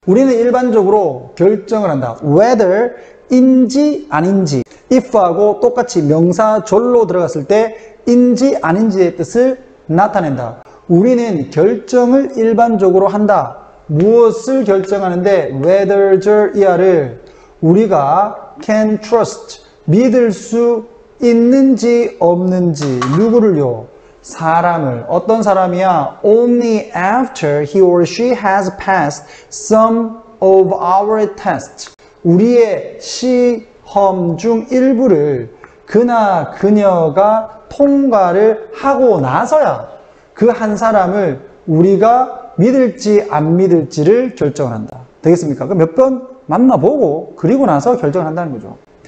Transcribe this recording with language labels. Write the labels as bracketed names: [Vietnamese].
[Korean] 우리는 일반적으로 결정을 한다. whether 인지 아닌지 if하고 똑같이 명사절로 들어갔을 때 인지 아닌지의 뜻을 나타낸다. 우리는 결정을 일반적으로 한다. 무엇을 결정하는데 whether, 절, er을 우리가 [English] can trust, [Korean] 믿을 수 있는지 없는지 누구를요? 사람을. 어떤 사람이야? [English] Only after he or she has passed some of our tests. [Korean] 우리의 시험 중 일부를 그나 그녀가 통과를 하고 나서야 그 한 사람을 우리가 믿을지 안 믿을지를 결정한다. 되겠습니까? 그럼 몇 번 만나보고 그리고 나서 결정을 한다는 거죠.